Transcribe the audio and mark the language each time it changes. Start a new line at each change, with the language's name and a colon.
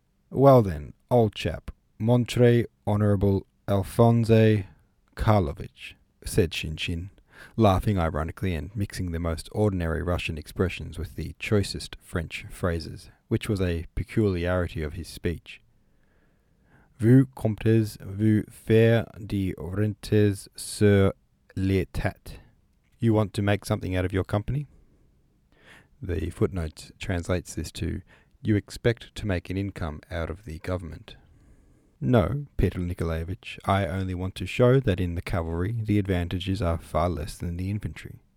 English: "Well then, old chap, Montre Honorable Alphonse Karlovich," said Shinshin, laughing ironically and mixing the most ordinary Russian expressions with the choicest French phrases, which was a peculiarity of his speech.
French: "Vous comptez vous faire de rentes sur l'état.
English: You want to make something out of your company?" The footnote translates this to, "You expect to make an income out of the government." "No, Peter Nikolaevich, I only want to show that in the cavalry the advantages are far less than the infantry.